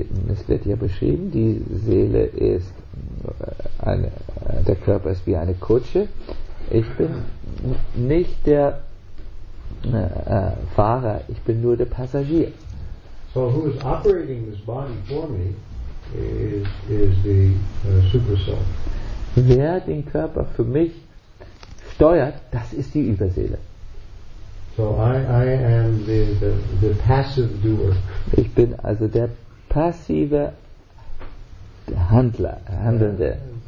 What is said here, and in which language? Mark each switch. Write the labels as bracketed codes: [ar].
[de] Es wird ja beschrieben, die Seele ist der Körper ist wie eine Kutsche. Ich bin nicht der Fahrer, ich bin nur der Passagier. [en] So who is operating this body for me is the super soul. [de] Wer den Körper für mich steuert, das ist die Überseele. [en] So I am the passive doer. [de] Ich bin also der passive Handelnde.